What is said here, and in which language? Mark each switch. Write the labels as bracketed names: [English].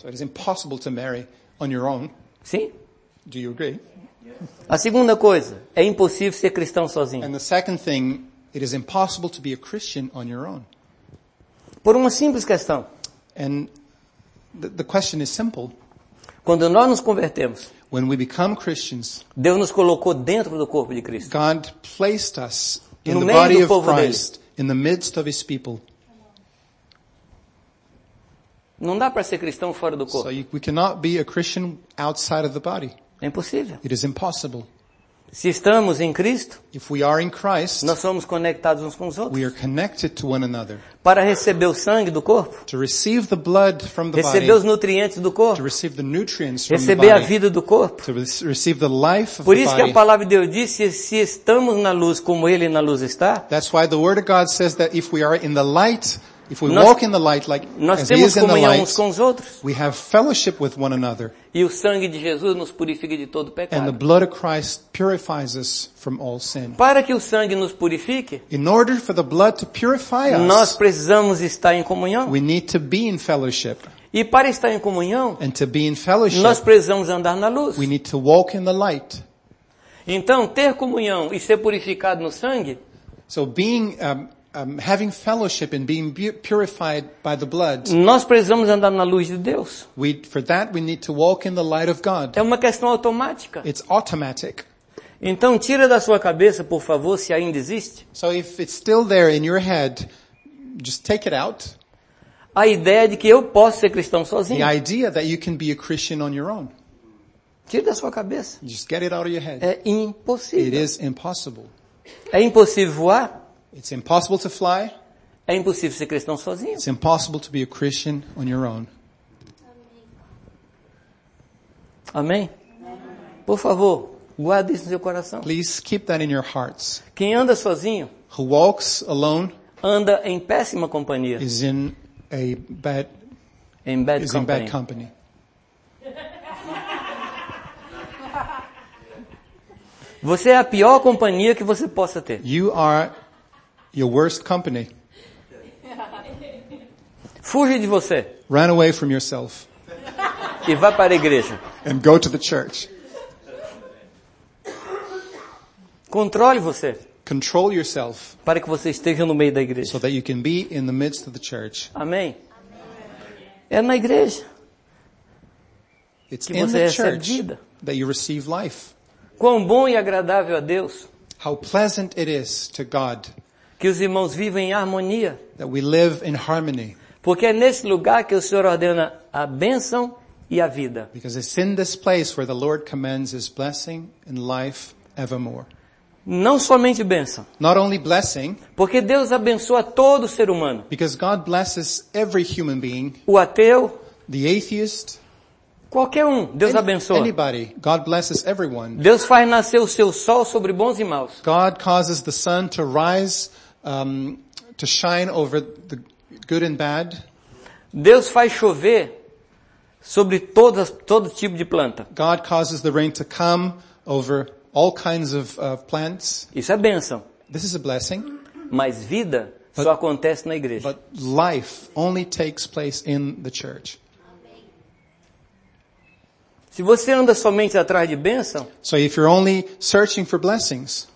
[English] So it is impossible to marry on your own. [Portuguese] Sim. [English] Do you agree? [Portuguese] A segunda coisa, é impossível ser cristão sozinho. [English] And the second thing, it is impossible to be a Christian on your own. [Portuguese] Por uma simples questão. [English] And the question is simple. [Portuguese] Quando nós nos convertemos, [English] when we become Christians, [Portuguese] Deus nos colocou dentro do corpo de Cristo. [English] God placed us in the body of Christ. [Portuguese] Dele. [English] In the midst of his people. [Portuguese] Não dá para ser cristão fora do corpo. [English] So we cannot be a Christian outside of the body. [Portuguese] É impossível. [English] It is impossible. [Portuguese] Se estamos em Cristo, [English] if we are in Christ, [Portuguese] nós somos conectados uns com os outros. [English] We are connected to one another. [Portuguese] Para receber o sangue do corpo, [English] to receive the blood from the body, [Portuguese] receber os nutrientes do corpo, [English] to receive the nutrients from [Portuguese] receber [English] the body, [Portuguese] a vida do corpo, [English] to receive the life of [Portuguese] por isso [English] the body. [Portuguese] Que a palavra de Deus disse, se estamos na luz como ele na luz está, [English] that's why the word of God says that if we are in the light, if we walk in the light like [Portuguese] nós [English] as [Portuguese] temos [English] he is [Portuguese] comunhão [English] in the light, [Portuguese] uns com os outros. [English] We have fellowship with one another. [Portuguese] E o sangue de Jesus nos purifica de todo pecado. [English] And the blood of Christ purifies us from all sin. [Portuguese] Para que o sangue nos purifique, [English] in order for the blood to purify us, [Portuguese] nós precisamos estar em comunhão. [English] We need to be in fellowship. [Portuguese] E para estar em comunhão, [English] and to be in fellowship, [Portuguese] nós precisamos andar na luz. [English] We need to walk in the light. [Portuguese] Então, ter comunhão e ser purificado no sangue, [English] so being having fellowship and being purified by the blood. [Portuguese] Nós precisamos andar na luz de Deus. [English] For that we need to walk in the light of God. [Portuguese] É uma questão automática. [English] It's automatic. [Portuguese] Então tira da sua cabeça, por favor, se ainda existe. [English] So if it's still there in your head, just take it out. [Portuguese] A ideia de que eu posso ser cristão sozinho. [English] The idea that you can be a Christian on your own. [Portuguese] Tira da sua cabeça. [English] Just get it out of your head. [Portuguese] É impossível. [English] It is impossible. [Portuguese] É impossível voar. [English] It's impossible to fly. [Portuguese] É impossível ser cristão sozinho. [English] It's impossible to be a Christian on your own. [Portuguese] Amém? Por favor, guarde isso no seu coração. [English] Please keep that in your hearts. [Portuguese] Quem anda sozinho, [English] who walks alone, [Portuguese] anda em péssima companhia. [English] Is in a bad, in bad, is in bad company. [Portuguese] Você é a pior companhia que você possa ter. [English] You are your worst company. [Portuguese] Fuja de você. [English] Run away from yourself. [Portuguese] E vá para a igreja. [English] And go to the church. [Portuguese] Controle você. [English] Control yourself. [Portuguese] Para que você esteja no meio da igreja. [English] So that you can be in the midst of the church. [Portuguese] Amém. É na igreja. [English] It's [Portuguese] que você [English] in the [Portuguese] recebe [English] church [Portuguese] vida. [English] That you receive life. [Portuguese] Quão bom e agradável a Deus. [English] How pleasant it is to God. [Portuguese] Que os irmãos vivam em harmonia. [English] That we live in harmony. [Portuguese] Porque é nesse lugar que o Senhor ordena a bênção e a vida. [English] Because it's in this place where the Lord commands his blessing and life evermore. [Portuguese] Não somente bênção. [English] Not only blessing. [Portuguese] Porque Deus abençoa todo ser humano. [English] Because God blesses every human being. [Portuguese] O ateu, [English] the atheist, [Portuguese] qualquer um, Deus abençoa. [English] Anybody, God blesses everyone. [Portuguese] Deus faz nascer o seu sol sobre bons e maus. [English] God causes the sun to rise to shine over the good and bad. [Portuguese] Deus faz chover sobre todo tipo de planta. [English] God causes the rain to come over all kinds of plants. [Portuguese] Isso é bênção. [English] This is a blessing. [Portuguese] Mas vida só acontece na igreja. [English] But life only takes place in the church. [Portuguese] Se você anda somente atrás de bênção, [English] so if you're only searching for blessings,